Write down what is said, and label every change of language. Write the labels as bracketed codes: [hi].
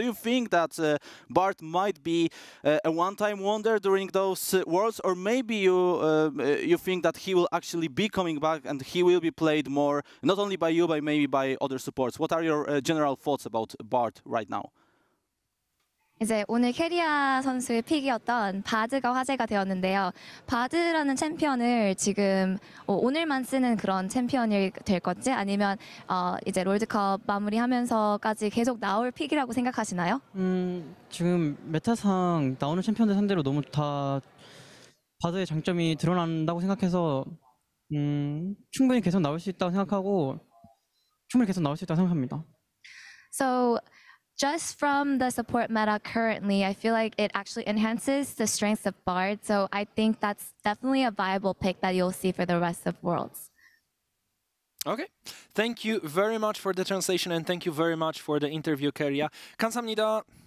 [en] Do you think that Bard might be a one-time wonder during those Worlds, or maybe you think that he will actually be coming back and he will be played more, not only by you, but maybe by other supports? What are your general thoughts about Bard right now? [ko] 이제 오늘 케리아 선수의 픽이었던 바드가 화제가 되었는데요. 바드라는 챔피언을 지금 오늘만 쓰는 그런 챔피언이 될 건지 아니면 이제 롤드컵 마무리하면서까지 계속 나올 픽이라고 생각하시나요? 지금 메타상 나오는 챔피언들 상대로 너무 다 바드의 장점이 드러난다고 생각해서 충분히 계속 나올 수 있다고 생각하고 충분히 계속 나올 수 있다고 생각합니다. [en] So just from the support meta currently, I feel like it actually enhances the strengths of Bard. So I think that's definitely a viable pick that you'll see for the rest of Worlds. Okay, thank you very much for the translation and thank you very much for the interview, Keria. [ko] 감사합니다.